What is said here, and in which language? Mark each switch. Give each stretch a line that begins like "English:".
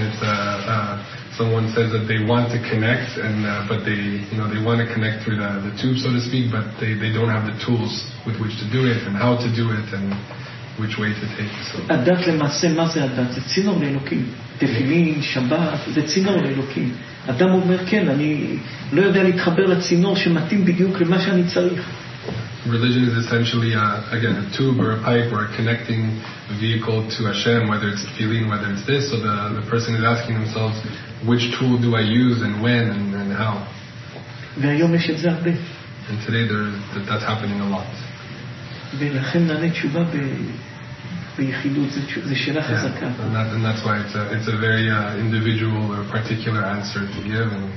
English: It's someone says that they want to connect, and but they, you know, they want to connect through the tube, so to speak, but they don't have the tools with which to do it and how to do it and which way to take. So
Hebrew: הדת למעשה, מה זה הדת? זה צינור לאלוקים. תפילין, שבת, זה צינור לאלוקים. אדם אומר, כן, אני לא יודע להתחבר לצינור שמתאים בדיוק למה שאני צריך.
English: Religion is essentially again a tube or a pipe or a connecting vehicle to Hashem, whether it's tefillin, whether it's this. So the person is asking themselves, which tool do I use and when and how?
Hebrew: והיום יש את זה הרבה.
English: And today that's happening a lot.
Hebrew: ולכן נענה תשובה ביחידות, זה שאלה חזקה.
English: And that's why it's a very individual or particular answer to give.